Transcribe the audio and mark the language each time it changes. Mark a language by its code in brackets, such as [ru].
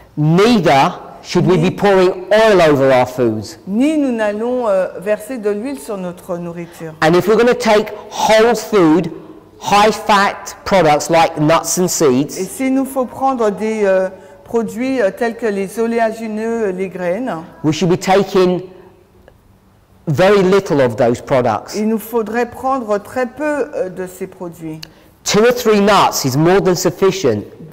[en] Neither should we be pouring oil over our foods. [fr] Ni nous n'allons verser de l'huile sur notre nourriture. [en] And if we're going to take whole food, high fat products like nuts and seeds. [fr] Et s'il nous faut prendre des produits tels que les oléagineux, les graines. [en] We should be taking very little of those products. [fr] Il nous faudrait prendre très peu de ces produits. [en] Two or three nuts is more than sufficient.